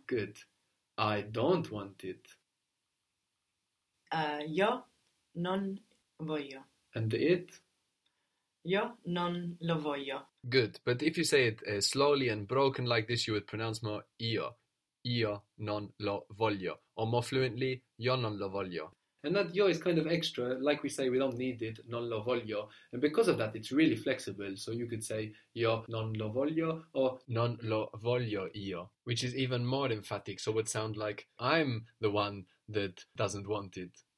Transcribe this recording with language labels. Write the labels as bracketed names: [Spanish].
[English] Good. I don't want it. [Italian] Io non voglio. [English] And the it? [Italian] Io non lo voglio. [English] Good, but if you say it slowly and broken like this, you would pronounce more io. [Italian] Io non lo voglio. [English] Or more fluently, [Italian] io non lo voglio. [English] And that io is kind of extra, like we say, we don't need it, [Italian] non lo voglio. [English] And because of that, it's really flexible. So you could say [Italian] io non lo voglio [English] or [Italian] non lo voglio io, [English] which is even more emphatic. So it would sound like I'm the one that doesn't want it.